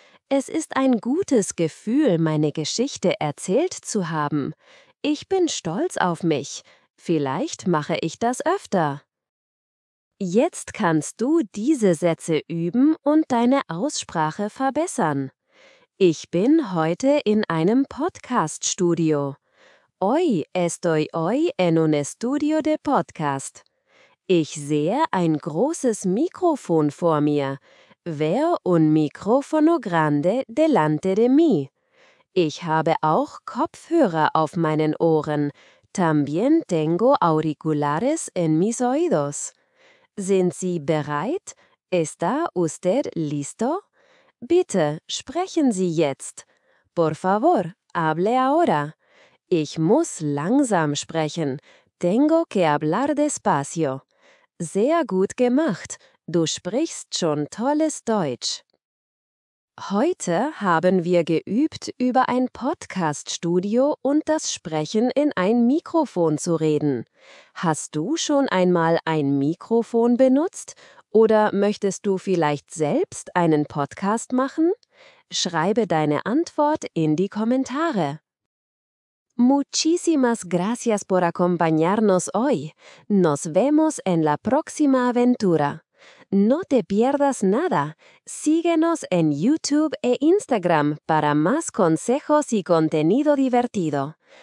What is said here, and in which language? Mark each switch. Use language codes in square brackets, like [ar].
[de] Es ist ein gutes Gefühl, meine Geschichte erzählt zu haben. Ich bin stolz auf mich. Vielleicht mache ich das öfter. Jetzt kannst du diese Sätze üben und deine Aussprache verbessern. Ich bin heute in einem Podcast-Studio. [es] Hoy estoy hoy en un estudio de podcast. [de] Ich sehe ein großes Mikrofon vor mir. [es] Veo un micrófono grande delante de mí. [de] Ich habe auch Kopfhörer auf meinen Ohren. [es] También tengo auriculares en mis oídos. [de] Sind Sie bereit? [es] ¿Está usted listo? [de] Bitte, sprechen Sie jetzt. [es] Por favor, hable ahora. [de] Ich muss langsam sprechen. [es] Tengo que hablar despacio. [de] Sehr gut gemacht. Du sprichst schon tolles Deutsch. Heute haben wir geübt, über ein Podcast-Studio und das Sprechen in ein Mikrofon zu reden. Hast du schon einmal ein Mikrofon benutzt, Oder möchtest du vielleicht selbst einen Podcast machen? Schreibe deine Antwort in die Kommentare. [es] Muchísimas gracias por acompañarnos hoy. Nos vemos en la próxima aventura. No te pierdas nada. Síguenos en YouTube e Instagram para más consejos y contenido divertido.